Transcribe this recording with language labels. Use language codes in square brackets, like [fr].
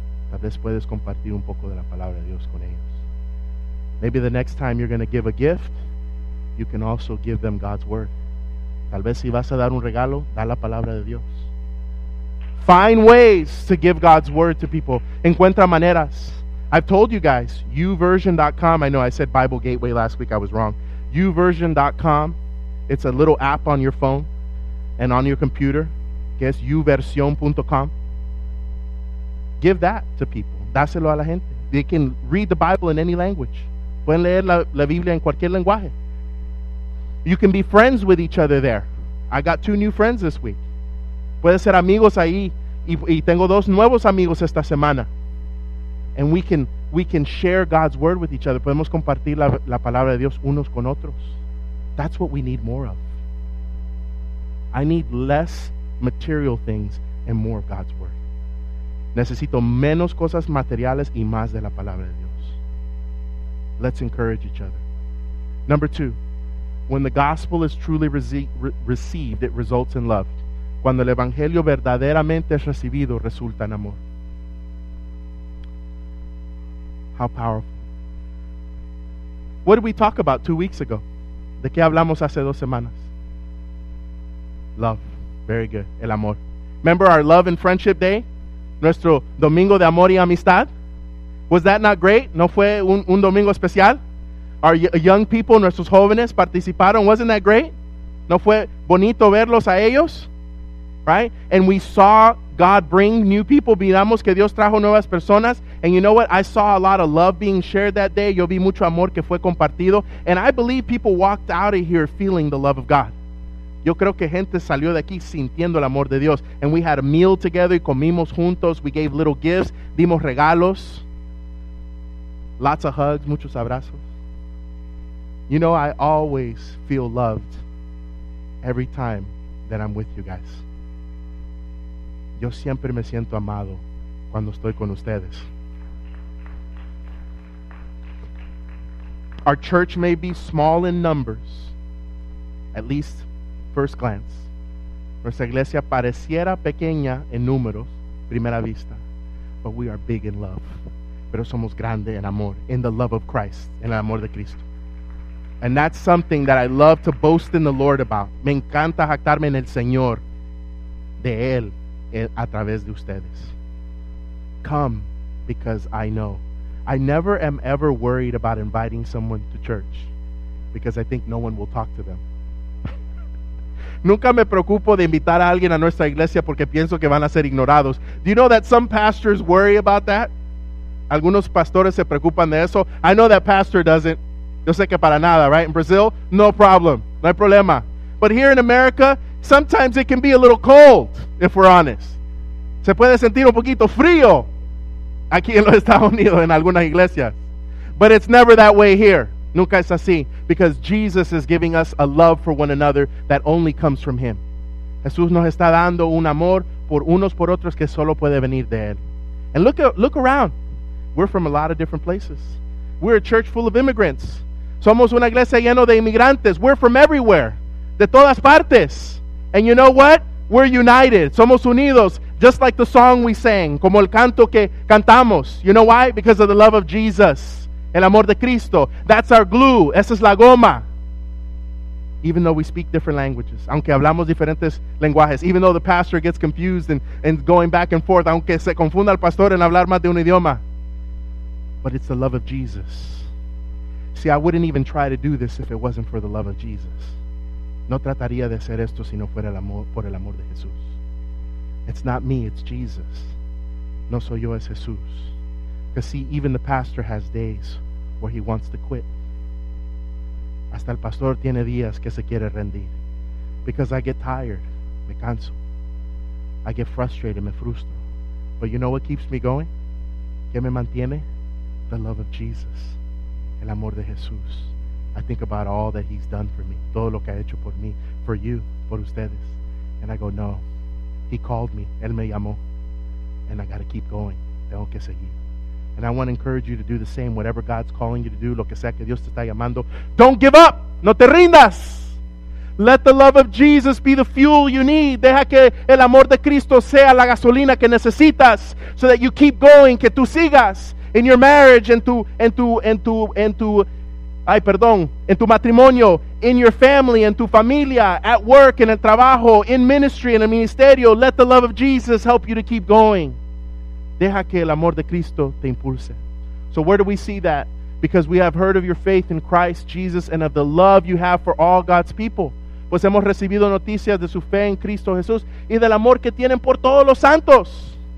[es] Tal vez puedes compartir un poco de la palabra de Dios con ellos. [en] Maybe the next time you're going to give a gift, you can also give them God's word. [es] Tal vez si vas a dar un regalo, da la palabra de Dios. [en] Find ways to give God's word to people. [es] Encuentra maneras. [en] I've told you guys, YouVersion.com. I know I said Bible Gateway last week. I was wrong. YouVersion.com. It's a little app on your phone and on your computer. Guess YouVersion.com. Give that to people. [es] Dáselo a la gente. [en] They can read the Bible in any language. [es] Pueden leer la Biblia en cualquier lenguaje. [en] You can be friends with each other there. I got two new friends this week. [es] Puede ser amigos ahí. Y tengo dos nuevos amigos esta semana. [en] And we can share God's word with each other. [es] Podemos compartir la palabra de Dios unos con otros. [en] That's what we need more of. I need less material things and more of God's word. [es] Necesito menos cosas materiales y más de la palabra de Dios. [en] Let's encourage each other. Number two, when the gospel is truly received, it results in love. [es] Cuando el evangelio verdaderamente es recibido, resulta en amor. [en] How powerful. What did we talk about 2 weeks ago? [es] ¿De qué hablamos hace dos semanas? [en] Love. Very good. [es] El amor. [en] Remember our love and friendship day? [es] Nuestro domingo de amor y amistad? [en] Was that not great? [es] ¿No fue un domingo especial? [en] Our young people, [es] nuestros jóvenes, participaron. [en] Wasn't that great? [es] ¿No fue bonito verlos a ellos? Right? [en] And we saw God bring new people. [es] Miramos que Dios trajo nuevas personas. [en] And you know what? I saw a lot of love being shared that day. [es] Yo vi mucho amor que fue compartido. [en] And I believe people walked out of here feeling the love of God. [es] Yo creo que gente salió de aquí sintiendo el amor de Dios. [en] And we had a meal together y comimos juntos. We gave little gifts. [es] Dimos regalos. [en] Lots of hugs. [es] Muchos abrazos. [en] You know, I always feel loved every time that I'm with you guys. [es] Yo siempre me siento amado cuando estoy con ustedes. [en] Our church may be small in numbers, at least first glance. [es] Nuestra iglesia pareciera pequeña en números, primera vista, [en] but we are big in love. [es] Pero somos grande en amor, [en] in the love of Christ, [es] en el amor de Cristo. [en] And that's something that I love to boast in the Lord about. [es] Me encanta jactarme en el Señor de Él. A través de ustedes. [en] Come because I know. I never am ever worried about inviting someone to church because I think no one will talk to them. [es] Nunca me preocupo de invitar a alguien a nuestra iglesia porque pienso que van a ser ignorados. [en] Do you know that some pastors worry about that? [es] Algunos pastores se preocupan de eso. [en] I know that pastor doesn't. [es] Yo sé que para nada, right? [en] In Brazil, no problem. [es] No hay problema. [en] But here in America, sometimes it can be a little cold, if we're honest. [es] Se puede sentir un poquito frío aquí en los Estados Unidos, en algunas iglesias. [en] But it's never that way here. [es] Nunca es así. [en] Because Jesus is giving us a love for one another that only comes from Him. [es] Jesús nos está dando un amor por unos por otros que solo puede venir de Él. [en] And look around. We're from a lot of different places. We're a church full of immigrants. [es] Somos una iglesia llena de inmigrantes. [en] We're from everywhere. [es] De todas partes. [en] And you know what? [es] We're united. Somos unidos. [en] Just like the song we sang. [es] Como el canto que cantamos. [en] You know why? Because of the love of Jesus. [es] El amor de Cristo. [en] That's our glue. [es] Esa es la goma. [en] Even though we speak different languages. [es] Aunque hablamos diferentes lenguajes. [en] Even though the pastor gets confused and going back and forth. [es] Aunque se confunda el pastor en hablar más de un idioma. [en] But it's the love of Jesus. See, I wouldn't even try to do this if it wasn't for the love of Jesus. [es] No trataría de hacer esto si no fuera por el amor de Jesús. [en] It's not me, it's Jesus. [es] No soy yo, es Jesús. [en] Because see, even the pastor has days where he wants to quit. [es] Hasta el pastor tiene días que se quiere rendir. [en] Because I get tired, [es] me canso. [en] I get frustrated, [es] me frustro. [en] But you know what keeps me going? [es] ¿Qué me mantiene? [en] The love of Jesus. [es] El amor de Jesús. [en] I think about all that he's done for me, [es] todo lo que ha hecho por mí, [en] for you, [es] por ustedes. [en] And I go, no, he called me, [es] él me llamó, [en] and I got to keep going, [es] tengo que seguir. [en] And I want to encourage you to do the same, whatever God's calling you to do, [es] lo que sea que Dios te está llamando, [en] don't give up, [es] no te rindas. [en] Let the love of Jesus be the fuel you need. [es] Deja que el amor de Cristo sea la gasolina que necesitas [en] so that you keep going, [es] que tú sigas [en] in your marriage, [es] en tu matrimonio, [en] in your family, [es] en tu familia, [en] at work, [es] en el trabajo, [en] in ministry, [es] en el ministerio. [en] Let the love of Jesus help you to keep going. [es] Deja que el amor de Cristo te impulse. [en] So where do we see that? Because we have heard of your faith in Christ Jesus and of the love you have for all God's people. [es] Pues hemos recibido noticias de su fe en Cristo Jesús y del amor que tienen por todos los santos.